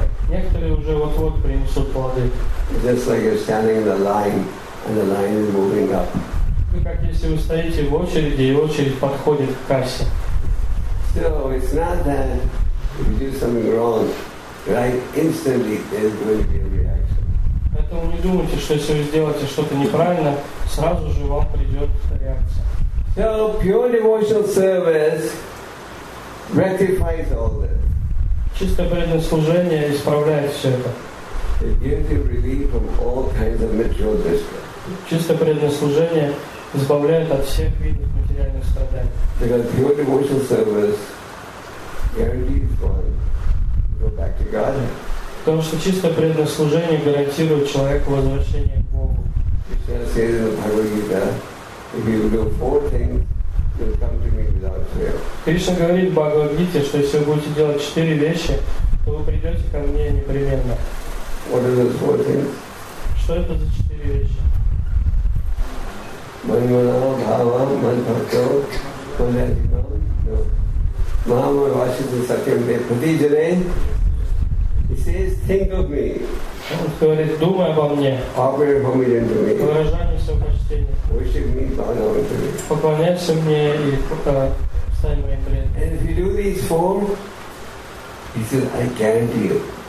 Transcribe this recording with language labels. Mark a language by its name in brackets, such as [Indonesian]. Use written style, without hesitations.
[Russian] Некоторые уже вот-вот принесут плоды. [English] Just like you're standing in a line, and the line is moving up. [Russian] Ну как если вы стоите в очереди, и очередь подходит к кассе. [English] So it's not that if you do something wrong, right? Instantly there's going to be a reaction. [Russian] Поэтому не думайте, что если вы сделаете что-то неправильно, сразу же вам придет реакция. [English] So pure devotional service rectifies all this. [Russian] Чистое преданное служение исправляет все это. [English] It gives you relief from all kinds of material distress. [Russian] Чистое преданное служение избавляет от всех видов материальных страданий. [English] Because pure devotional service guarantees one to go back to God. [Russian] Потому что чистое преданное служение гарантирует человеку возвращение к Богу. [English] Krishna says in the Bhagavad Gita, if you do four things, you'll come to me without fail. [Russian] Кришна говорит в Бхагавад-гите, что если вы будете делать четыре вещи, то вы придете ко мне непременно. [English] What are those four things? [Russian] Что это за четыре вещи? Манимана, Бхава, Манпарто, Манадима, Мама, Вашидзе, Сакьям, Бетхадиджаре. [English] He says, think of me. [Russian] Он говорит, думай обо мне. [English] Offer your homage to me. [Russian] Выражай мне свое почтение. [English] Worship me, bow down to me. [Russian] Поклоняйся мне и стань моим преданным. [English] And if you do these four, he says, I guarantee you.